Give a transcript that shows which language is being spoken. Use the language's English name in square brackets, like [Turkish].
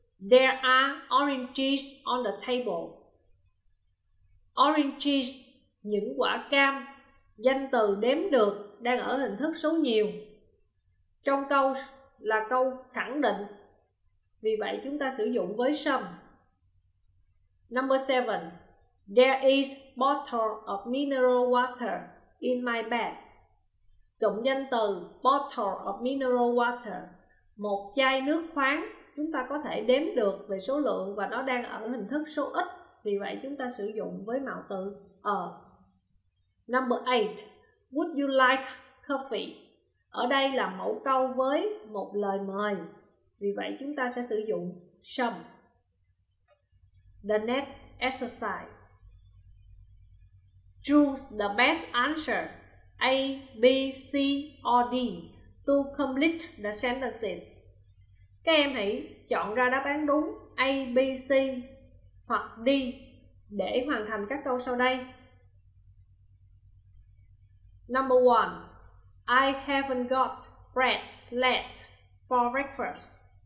[English] There are oranges on the table. [Vietnamese] Oranges, những quả cam, danh từ đếm được đang ở hình thức số nhiều. Trong câu là câu khẳng định, vì vậy chúng ta sử dụng với some. [English] Number 7. There is bottle of mineral water in my bag. [Vietnamese] Cụm danh từ bottle of mineral water, một chai nước khoáng, chúng ta có thể đếm được về số lượng và nó đang ở hình thức số ít, vì vậy chúng ta sử dụng với mạo từ a. [English] Number 8. Would you like coffee? [Vietnamese] Ở đây là mẫu câu với một lời mời, vì vậy chúng ta sẽ sử dụng some. [English] The next exercise. Choose the best answer A, B, C or D to complete the sentences. [Vietnamese] Các em hãy chọn ra đáp án đúng A, B, C hoặc D để hoàn thành các câu sau đây. [English] Number 1. I haven't got bread left for breakfast.